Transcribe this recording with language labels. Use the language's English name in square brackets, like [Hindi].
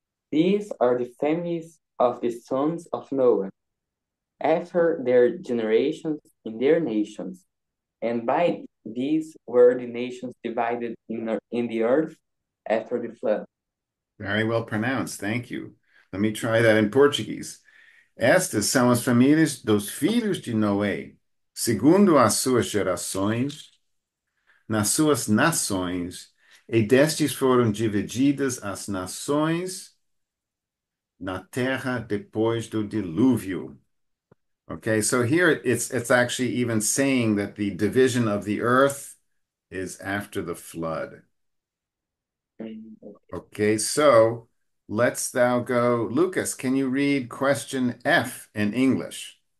[English] These are the families of the sons of Noah, after their generations in their nations, and by these were the nations divided in the earth after the flood. Very well pronounced, thank you. Let me try that in Portuguese. [Portuguese] Estas são as famílias dos filhos de Noé, segundo as suas gerações, nas suas nações, e destes foram divididas as nações na terra depois do dilúvio. [English] Okay, so here it's actually even saying that the division of the earth is after the flood. Okay, so let's now go. Lucas, can you read question F in English?